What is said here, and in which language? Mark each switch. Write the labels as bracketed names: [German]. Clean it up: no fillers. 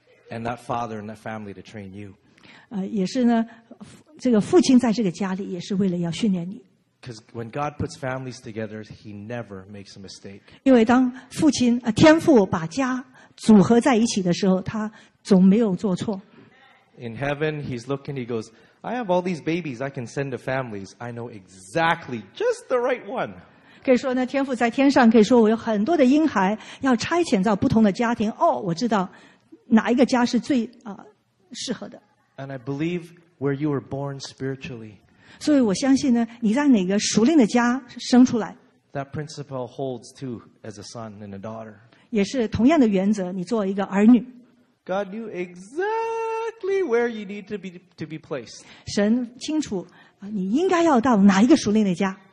[English] And that father and that family to train you. [Chinese] 也是呢这个父亲在这个家里也是为了要训练你。 [English] Because when God puts families together, He never makes a mistake. [Chinese] 因为当父亲天父把家组合在一起的时候，他总没有做错。 [English] In heaven, He's looking. He goes, "I have all these babies. I can send to families. I know exactly just the right one." [Chinese] 可以说呢，天父在天上可以说我有很多的婴孩要差遣到不同的家庭。哦，我知道哪一个家是最适合的。 [English] And I believe where you were born spiritually. [Chinese] 所以我相信呢，你在哪个属灵的家生出来。 [English] That principle holds too as a son and a daughter. [Chinese] 也是同样的原则，你做一个儿女。 [English] God knew exactly where you need to be placed. [Chinese] 神清楚你应该要到哪一个属灵的家。